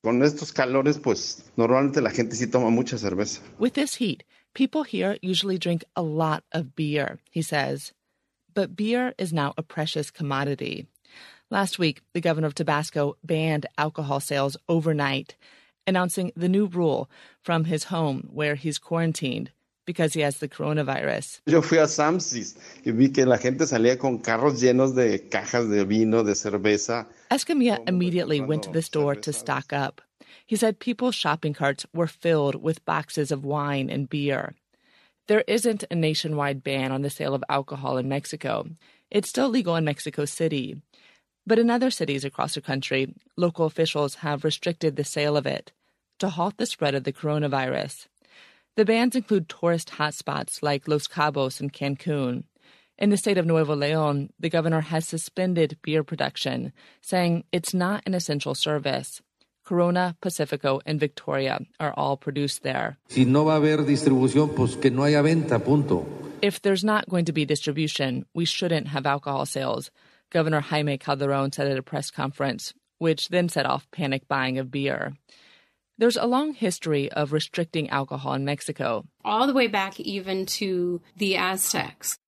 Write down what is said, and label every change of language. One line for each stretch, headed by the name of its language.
Spanish: Con estos calores, pues, normalmente la gente sí toma mucha cerveza.
English: With this heat, people here usually drink a lot of beer, he says. But beer is now a precious commodity. Last week, the governor of Tabasco banned alcohol sales overnight, announcing the new rule from his home where he's quarantined because he has the coronavirus.
Spanish: Yo fui a Sam's y vi que la gente salía con carros llenos de cajas de vino, de cerveza.
English: Escamilla immediately went to the store to stock up. He said people's shopping carts were filled with boxes of wine and beer. There isn't a nationwide ban on the sale of alcohol in Mexico. It's still legal in Mexico City. But in other cities across the country, local officials have restricted the sale of it to halt the spread of the coronavirus. The bans include tourist hotspots like Los Cabos and Cancun. In the state of Nuevo León, the governor has suspended beer production, saying it's not an essential service. Corona, Pacifico, and Victoria are all produced there.
Spanish: Si no va a haber distribución, pues que no haya venta, punto.
English: If there's not going to be distribution, we shouldn't have alcohol sales, Governor Jaime Calderon said at a press conference, which then set off panic buying of beer. There's a long history of restricting alcohol in Mexico. All the way back even to the Aztecs.